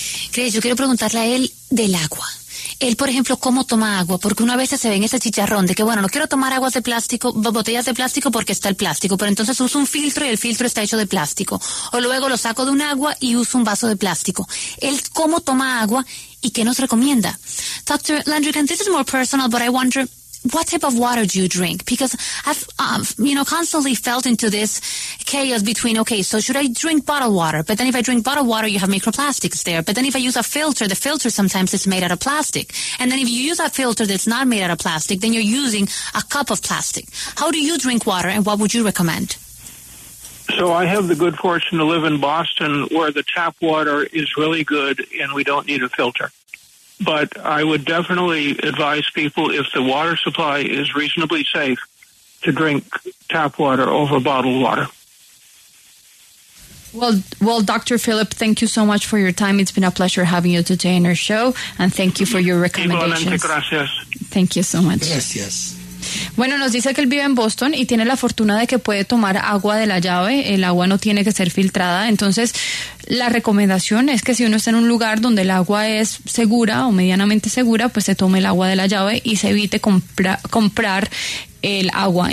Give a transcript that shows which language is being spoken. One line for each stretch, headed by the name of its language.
Spanish: Chris, yo quiero preguntarle a él del agua. Él, por ejemplo, ¿cómo toma agua? Porque una vez se ve en ese chicharrón de que, bueno, no quiero tomar aguas de plástico, botellas de plástico porque está el plástico, pero entonces uso un filtro y el filtro está hecho de plástico. O luego lo saco de un agua y uso un vaso de plástico. Él, ¿cómo toma agua y qué nos recomienda?
English: Dr. Landrigan, this is more personal, but I wonder, what type of water do you drink? Because I've, you know, constantly felt into this chaos between, okay, so should I drink bottled water? But then if I drink bottled water, you have microplastics there. But then if I use a filter, the filter sometimes is made out of plastic. And then if you use a filter that's not made out of plastic, then you're using a cup of plastic. How do you drink water and what would you recommend? So I have the good fortune to live in Boston where the tap water is really good and we don't need a filter. But I would definitely advise people, if the water supply is reasonably safe, to drink tap water over bottled water. Well, Dr. Philip, thank you so much for your time. It's been a pleasure having you today in our show, and thank you for your recommendations.
Spanish: Gracias.
English: Thank you so much.
Spanish: Gracias. Bueno, nos dice que él vive en Boston y tiene la fortuna de que puede tomar agua de la llave. El agua no tiene que ser filtrada. Entonces, la recomendación es que si uno está en un lugar donde el agua es segura o medianamente segura, pues se tome el agua de la llave y se evite comprar el agua en